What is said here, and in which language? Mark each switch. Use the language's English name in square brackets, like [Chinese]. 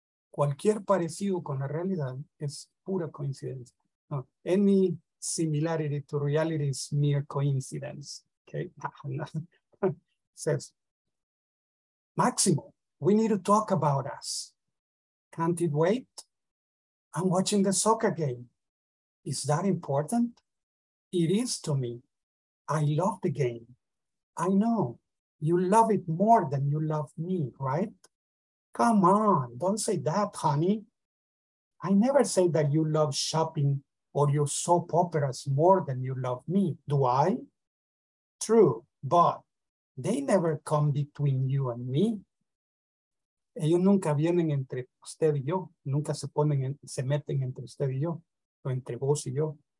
[Spanish] Cualquier parecido con la realidad es pura coincidencia. [English] No, any similarity to reality is mere coincidence. Okay, says, Maximo, we need to talk about us. Can't it wait? I'm watching the soccer game. Is that important? It is to me. I love the game. I know you love it more than you love me, right? Come on, don't say that, honey. I never say that you love shopping or your soap operas more than you love me, do I? True, but they never come between you and me. [Spanish] Ellos nunca vienen entre usted y yo. Nunca se ponen, se meten entre usted y yo, o entre vos y yo.